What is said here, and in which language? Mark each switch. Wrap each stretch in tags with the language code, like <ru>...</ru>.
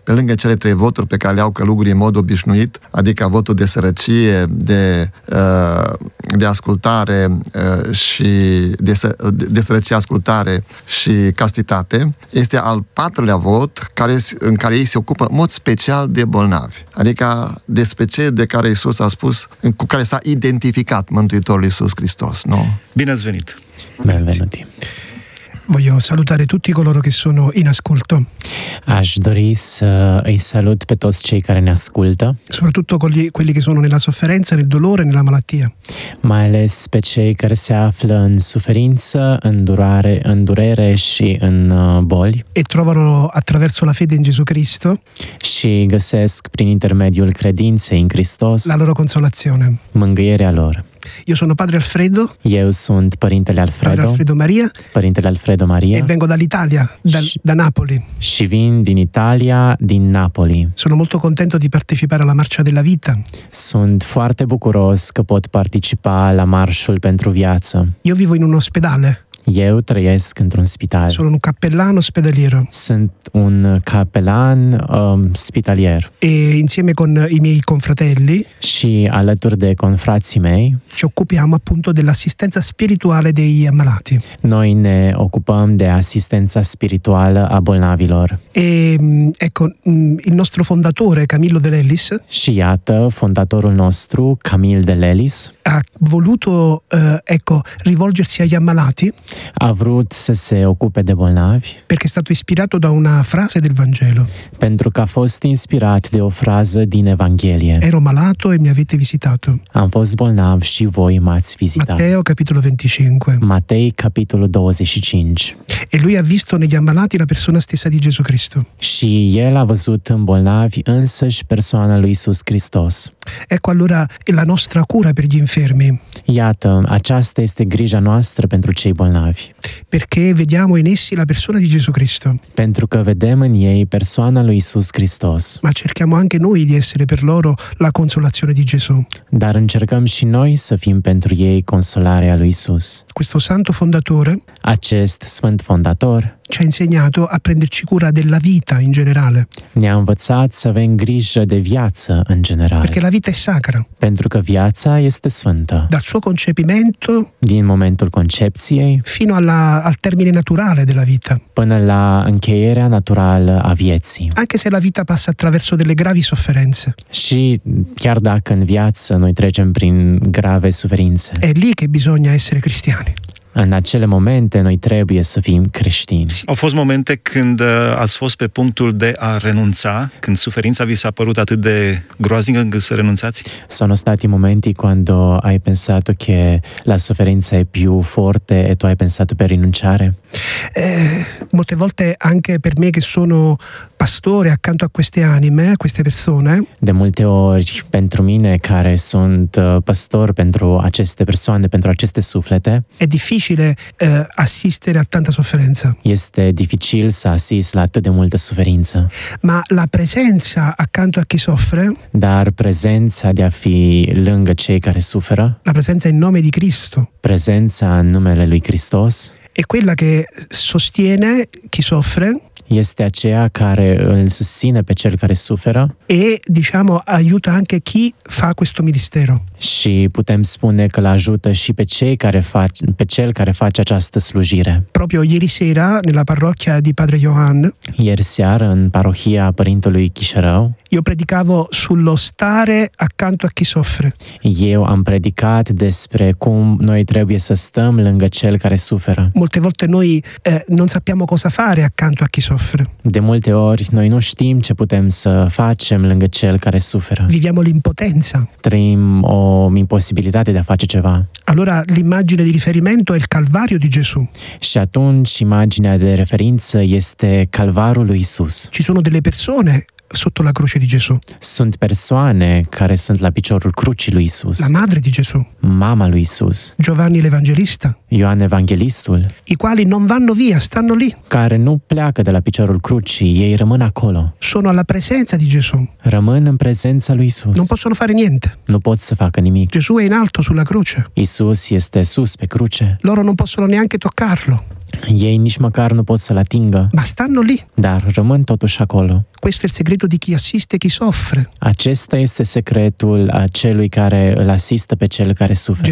<ro>Pe lângă cele trei voturi pe care le au călugurii în mod obișnuit, adică votul de sărăcie, de ascultare și de sărăcie, ascultare și castitate, este al patrulea vot în care ei se ocupă în mod special de bolnavi. Adică despre ce de care Iisus a spus, cu care s-a identificat Mântuitorul Iisus Hristos, nu? Bine ați venit!</ro> <it>Benvenuti! Voglio salutare tutti coloro che sono in ascolto.</it> <ro>Aș dori să îi salut pe toți cei care ne ascultă.</ro> <it>Soprattutto quelli che sono nella sofferenza, nel dolore, nella malattia.</it> <ro>Mai ales pe cei care se află în suferință, în durare, în durere și în boli.</ro> <it>E trovano attraverso la fede in Gesù Cristo.</it> <ro>Și găsesc prin intermediul credinței în Hristos.</ro> <it>La loro consolazione.</it> <ro>Mângâierea lor.</ro> <it>Io sono padre Alfredo.</it> <ro>Eu sunt Părintele Alfredo.</ro> <it>Padre Alfredo Maria.</it> <ro>Părintele Alfredo Maria.</ro> <it>E vengo dall'Italia, da Napoli.</it> <ro>Și vin din Italia, din Napoli.</ro> <it>Sono molto contento di partecipare alla marcia della vita.</it> <ro>Sunt foarte bucuros că pot participa la marșul pentru viață.</ro> <it>Io vivo in un ospedale.</it> <ro>Eu trăiesc într-un spital.</ro> <it>Sono un cappellano ospedaliero.</it> <ro>Sunt un capelan spitalier.</ro> <it>E insieme con i miei confratelli.</it> <ro>Și alături de confrații mei.</ro> <it>Ci occupiamo appunto dell'assistenza spirituale dei malati.</it> <ro>Noi ne ocupăm de asistența spirituală a bolnavilor.</ro> <it>E ecco il nostro fondatore Camillo Dellis.</it> <ro>Și iată fondatorul nostru Camille Dellis.</ro> <it>Ha voluto rivolgersi agli ammalati.</it> <ro>A vrut să se ocupe de bolnavi.</ro> <it>Perché è stato ispirato da una frase del Vangelo.</it> <ro>Pentru că a fost inspirat de o frază din Evanghelie.</ro> <it>Ero malato e mi avete visitato.</it> <ro>Am fost bolnav și voi m-ați vizitat.</ro> <it>Matteo capitolo 25.</it> <ro>Matei capitolul 25.</ro> <it>E lui ha visto negli ammalati la persona stessa di Gesù Cristo.</it> <ro>Și el a văzut în bolnavi însăși persoana lui Iisus Hristos.</ro> <it>Ecco allora la nostra cura per gli infermi.</it> <ro>Iată, aceasta este grija noastră pentru cei bolnavi.</ro> <it>Perché vediamo in essi la persona di Gesù Cristo.</it> <ro>Pentru că vedem în ei persoana lui Iisus Hristos.</ro> <it>Ma cerchiamo anche noi di essere per loro la consolazione di Gesù.</it> <ro>Dar încercăm și noi să fim pentru ei consolarea lui Iisus.</ro> <it>Questo santo fondatore.</it> <ro>Acest sfânt fondator.</ro> <it>Ci ha insegnato a prenderci cura della vita in generale.</it> <ro>Ne-a învățat să avem grijă de viață în general.</ro> <it>Perché la vita è sacra.</it> <ro>Pentru că viața este sfântă.</ro> <it>Dal suo concepimento.</it> <ro>Din momentul concepției.</ro> <it>Fino al termine naturale della vita.</it> <ro>Până la încheierea naturală a vieții.</ro> <it>Anche se la vita passa attraverso delle gravi sofferenze.</it> <ro>Și chiar dacă în viață noi trecem prin grave suferințe.</ro> <it>È lì che bisogna essere cristiani.</it> <ro>În acele momente noi trebuie să fim creștini. Au fost momente când ați fost pe punctul de a renunța, când suferința vi s-a părut atât de groaznică încât să renunțați?</ro> <it>Sono stati momenti quando hai pensato che la sofferenza è più forte e tu hai pensato per rinunciare? Molte volte anche per me che sono pastore accanto a queste anime, a queste persone.</it> <ro>De multe ori pentru mine care sunt pastor pentru aceste persoane, pentru aceste suflete.</ro> <it>È difficile assistere a tanta sofferenza.</it> <ro>Este dificil să asist la atât de multă suferință.</ro> <it>Ma la presenza accanto a chi soffre.</it> <ro>Dar prezența de a fi lângă cei care suferă.</ro> <it>La presenza in nome di Cristo.</it> <ro>Prezența în numele lui Hristos.</ro> <it>È quella che sostiene chi soffre.</it> <ro>Este aceea care îl susține pe cel care suferă.</ro> <it>E, diciamo, aiuta anche chi fa questo ministero.</it> <ro>Și putem spune că l-ajută și pe cei care fac, pe cel care face această slujire.</ro> <it>Proprio ieri sera, nella parrocchia di Padre Johann.</it> <ro>Ieri seară, în parohia părintelui Chișerău.</ro> <it>Io predicavo sullo stare accanto a chi soffre.</it> <ro>Eu am predicat despre cum noi trebuie să stăm lângă cel care suferă.</ro> <it>Molte volte noi non sappiamo cosa fare accanto a chi soffre.</it> <ro>De multe ori noi nu știm ce putem să facem lângă cel care suferă.</ro> <it>Viviamo l'impotenza.</it> <ro>Trăim o imposibilitate de a face ceva.</ro> <it>Allora l'immagine di riferimento è il Calvario di Gesù.</it> <ro>Și atunci imaginea de referință este Calvarul lui Isus.</ro> <it>Ci sono delle persone sotto la croce di Gesù.</it> <ro>Sunt persoane care sunt la piciorul crucii lui Isus.</ro> <it>La madre di Gesù.</it> <ro>Mama lui Isus.</ro> <it>Giovanni l'Evanghelista.</it> <ro>Ioan Evanghelistul.</ro> <it>I quali non vanno via, stanno lì.</it> <ro>Care nu pleacă de la piciorul crucii, ei rămân acolo.</ro> <it>Sono alla presenza di Gesù.</it> <ro>Rămân în prezența lui Isus.</ro> <it>Non possono fare niente.</it> <ro>Nu pot să facă nimic.</ro> <it>Gesù è in alto sulla croce.</it> <ro>Isus este sus pe cruce.</ro> <it>Loro non possono neanche toccarlo.</it> <ro>Ei nici măcar nu pot să-l atingă.</ro> <it>Ma stanno lì.</it> <ro>Dar rămân totuși acolo.</ro> <it>Questo è il segreto di chi assiste chi soffre.</it> <ro>Acesta este secretul acelui care îl asistă pe cel care suferă.</ro>